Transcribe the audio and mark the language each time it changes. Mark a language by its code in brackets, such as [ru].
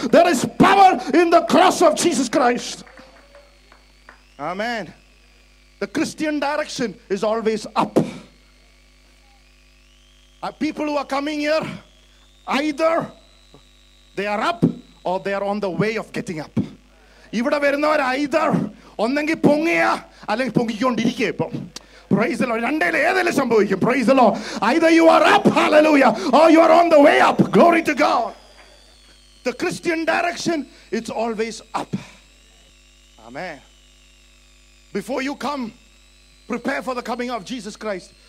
[en] There is power in the cross of Jesus Christ. Amen. The Christian direction is always up. People who are coming here, either they are up or they are on the way of getting up. [ml] ഇവിടെ വരുന്നവർ either ഒന്നെങ്കിൽ പൊങ്ങിയാ അല്ലെങ്കിൽ പൊങ്ങിക്കൊണ്ടിരിക്കുക ഇപ്പം. [en] Praise the Lord. [ml] രണ്ടേല ഏതെല്ലാം സംഭവിക്കും. [en] Praise the Lord. Either you are up, hallelujah, or you are on the way up. Glory to God. The Christian direction, it's always up. Amen. Before you come, prepare for the coming of Jesus Christ.